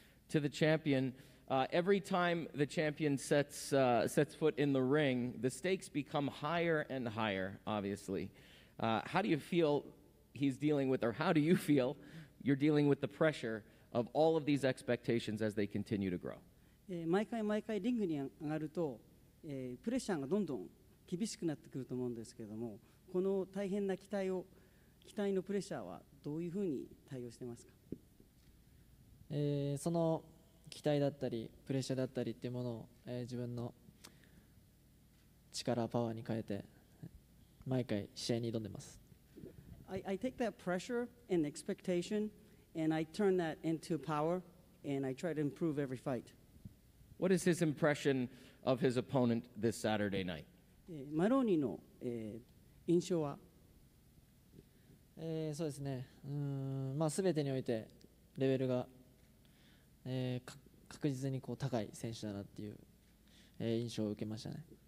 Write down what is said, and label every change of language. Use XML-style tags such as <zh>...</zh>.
<en>To the champion, every time the champion sets foot in the ring, the stakes become higher and higher, obviously. How do you feel he's dealing with, or how do you feel you're dealing with the pressure of all of these expectations as they continue to grow?</en> <ja>毎回毎回リングに上がると、プレッシャーがどんどん厳しくなってくると思うんですけれども、この大変な期待のプレッシャーはどういうふうに対応してますか？その期待だったりプレッシャーだったりっていうものを、自分の力パワーに変えて毎回試合に挑んでます。</ja> <en>I take that pressure and expectation and I turn that into power and I try to improve every fight. What is his impression of his opponent this Saturday night?</en> <ja>マロニーの、印象は、そうですね、まあ、全てにおいてレベルが確実にこう高い選手だなっていう、印象を受けましたね。</ja>